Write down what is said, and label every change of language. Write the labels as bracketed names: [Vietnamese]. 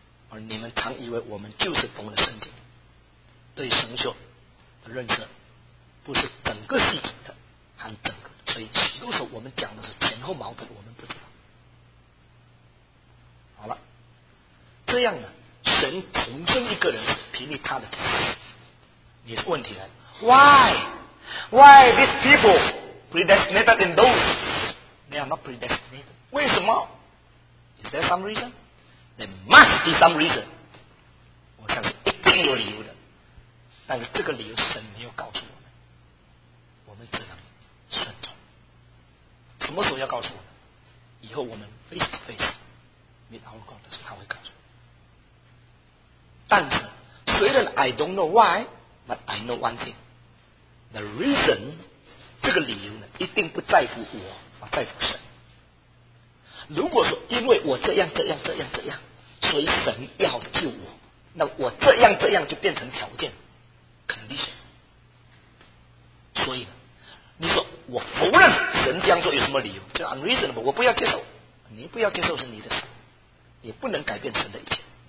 [Chinese] 而你们常以为我们就是懂了圣经，对神学的认识不是整个系统的，含整个，所以许多时候我们讲的是前后矛盾，我们不知道。好了，这样呢，神重生一个人，凭着他的知识，你的问题来， [English] Why these people predestinated than those? They are not predestinated. [Chinese] 为什么？ [English] Is there some reason? There must be some reason. [Chinese] 我相信一定有理由的，但是这个理由神没有告诉我。我们只能顺从。什么时候要告诉我们？以后我们 [English] face to face meet our God [Chinese] 的时候，他会告诉我。但是虽然 [English] I don't know why， but I know one thing， the reason， [Chinese] 这个理由呢，一定不在乎我，而在乎神。如果说因为我这样这样这样这样，所以神要救我，那我这样这样就变成条件 condition。所以呢，你说我否认神这样做有什么理由？这 unreasonable， 我不要接受。你不要接受是你的事，也不能改变神的一切。